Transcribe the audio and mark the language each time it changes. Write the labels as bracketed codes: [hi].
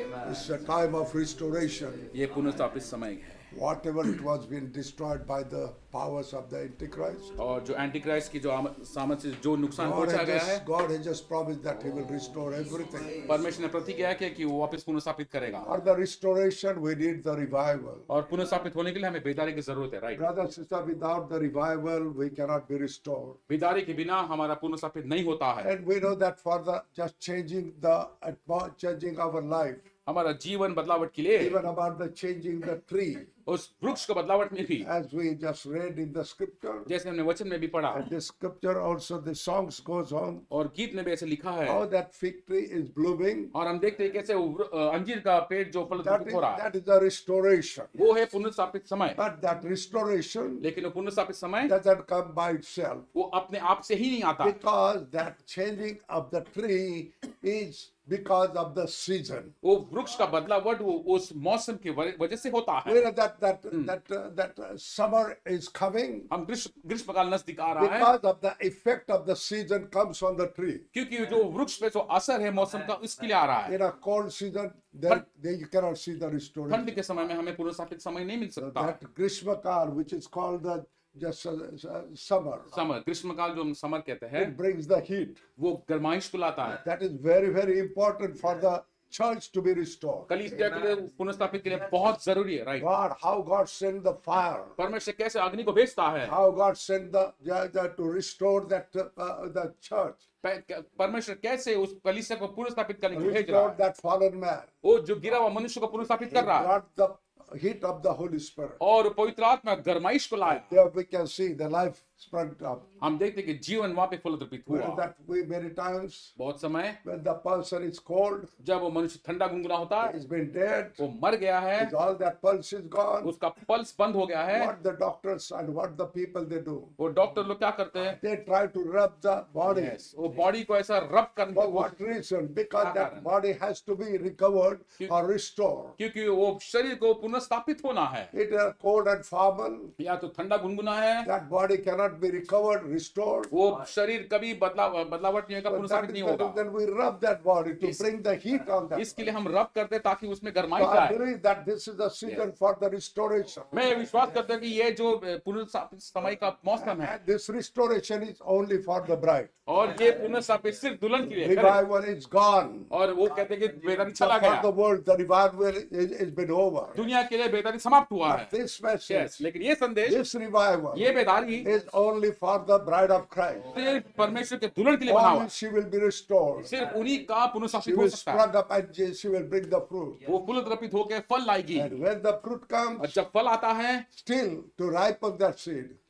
[en] It's a time of restoration. [hi] ये पुनर्स्थापित समय है. [en] Whatever it was been destroyed by the powers of the Antichrist. [hi] और जो Antichrist की जो सामर्थ्य जो नुकसान पहुंचा गया है. [en] God has just promised that He will restore everything. [hi] परमेश्वर ने प्रतिज्ञा किया कि वो वापस पुनर्स्थापित करेगा. [en] For the restoration, we need the revival. [hi] और पुनर्स्थापित होने के लिए हमें बेदारी की जरूरत है, right? [en] Brother, sister, without the revival, we cannot be restored. [hi] बेदारी के बिना हमारा पुनर्स्थापित नहीं होता है. [en] And we know that for the just changing the changing our life. [hi] हमारा जीवन बदलावट के लिए [en] even about the changing the tree, [hi] उस वृक्ष को बदलावट में भी [en] as we just read in the scripture, [hi] जैसे हमने वचन में भी पढ़ा [en] and the scripture also the songs goes on, [hi] और गीत में भी ऐसे लिखा है [en] how that fig tree is blooming, [hi] और हम देखते हैं कैसे अंजीर का पेड़ जो फल दे रहा है [en] that is the restoration, [hi] वो है पुनर्स्थापित समय [en] but that restoration, [hi] लेकिन वो पुनर्स्थापित समय [en] doesn't come by itself, [hi] वो अपने आप से ही नहीं आता [en] because that changing of the tree is because of the season, [hi] वो वृक्ष का बदलाव वो उस मौसम की वजह से होता है [en] that summer is coming, [hi] हम ग्रीष्मकाल नजदीक आ रहा है [en] because of the effect of the season comes on the tree, [hi] क्योंकि जो वृक्ष पे जो असर है मौसम का उसके लिए आ रहा है [en] in a cold season then you cannot see the restoration, [hi] ठंड के समय में हमें पुनर्स्थापित समय नहीं मिल सकता [en] that ग्रीष्मकाल which is called the just summer [hi] ग्रीष्मकाल जो हम समर कहते हैं [en] it brings the heat, [hi] वो गर्माहट बुलाता है [en] that is very very important for the church to be restored. [hi] कलीसिया के लिए पुनर्स्थापित के लिए बहुत जरूरी है, right? [en] God, how God sent the fire. [hi] परमेश्वर कैसे अग्नि को भेजता है? [en] How God sent the to restore that the church. [hi] परमेश्वर कैसे उस कलीसिया को पुनर्स्थापित करने के लिए भेज रहा है? [en] That fallen man. [hi] वो जो गिरा हुआ मनुष्य को पुनर्स्थापित कर रहा है. [en] Brought the heat of the Holy Spirit. [hi] और पवित्र आत्मा गर्माइश को लाया. [en] There we can see the life sprung up. [hi] हम देखते हैं कि जीवन वहाँ पे फलद्रुपित हुआ. [en] That we many times. [hi] बहुत समय. [en] When the person is cold. [hi] जब वो मनुष्य ठंडा गुंगुना होता है. [en] He's been dead. [hi] वो मर गया है. [en] All that pulse is gone. [hi] उसका पल्स बंद हो गया है. [en] What the doctors and what the people they do. [hi] वो डॉक्टर लोग क्या करते हैं? [en] They try to rub the body. [hi] Yes. वो बॉडी को ऐसा रब करने को. [en] For what reason? Because that body has to be recovered or restored. [hi] क्योंकि वो शरीर को पुनर्स्थापित होना है. [en] It is cold and formal. [hi] या तो ठंडा गुनगुना है. [en] That body cannot be recovered, restored. [hi] वो शरीर कभी बदलावट नहीं होगा, पुनर्स्थापित नहीं होगा. [en] Then we rub that body to bring the heat on that. [hi] इसके लिए हम रब करते हैं ताकि उसमें गर्माहट आए. [en] I believe that this is the season for the restoration. [hi] मैं विश्वास करता हूँ कि ये जो पुनर्स्थापित समय का मौसम है. [en] This restoration is only for the bride. [hi] और ये पुनर्स्थापित सिर्फ दुल्हन के लिए. [en] Revival is gone. [hi] और वो कहते हैं कि वेदन चला गया. [en] For the world, the revival is been over. [hi] दुनिया के लिए वेदन समाप्त हुआ है. [en] This message. [hi] Yes. लेकिन ये संदेश. [en] This revival. [hi] ये वेदारी. [en] Only for the bride of Christ. [hi] सिर्फ परमेश्वर के दुल्हन के लिए बना हुआ. [en] She will be restored. [hi] सिर्फ उन्हीं का पुनर्स्थापित हो सकता है. [en] She will bring the fruit. [hi] वो फलद्रुपित होकर फल लाएगी. [en] And when the fruit comes, [hi] जब फल आता है, [en] still to ripen that seed.